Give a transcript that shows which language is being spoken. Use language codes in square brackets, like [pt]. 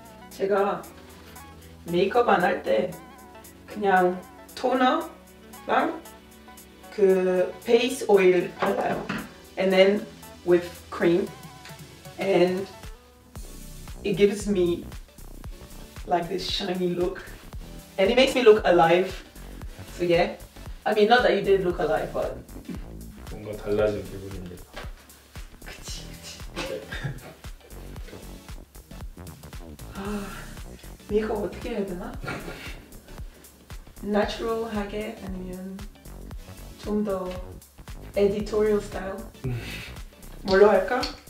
[ko] 제가 메이크업 안 할 때 그냥 토너랑 그 베이스 오일 발라요. [en] And then with cream. And it gives me like this shiny look, and it makes me look alive. So yeah, I mean, not that you did look alive, but [ko] 뭔가 달라진 기분입니다. 그치 그치. 아 메이크업 어떻게 해야 되나? 나추럴하게 아니면 좀 더 에디토리얼 스타일 뭘로 할까?